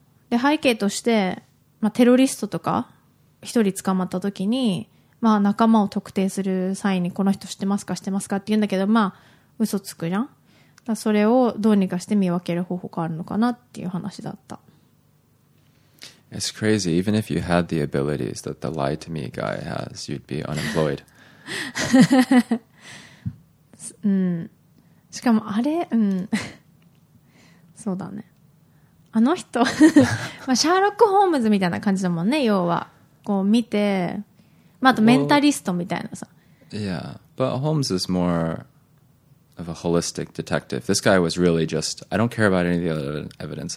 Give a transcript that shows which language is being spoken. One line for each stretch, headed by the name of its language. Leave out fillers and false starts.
Japanese: で、背景として、まあ、テロリストとか、一人捕まった時に、まあ、仲間を特定する際に、この人知ってますか、知ってますかって言うんだけど、まあ、嘘つくじゃん。だそれをどうにかして見分ける方法があるのかなっていう話だった。
English: It's crazy. Even if you had the abilities that the lie to me guy has, you'd be unemployed.
Japanese: うん。しかも、あれ、うん。そうだね。あの人、まあ、シャーロック・ホームズみたいな感じだもんね、要は。こう見て、まあ、あとメンタリストみたいなさ。
English: Well, yeah, but Holmes is more of a holistic detective. This guy was really just, I don't care about any of the other evidence.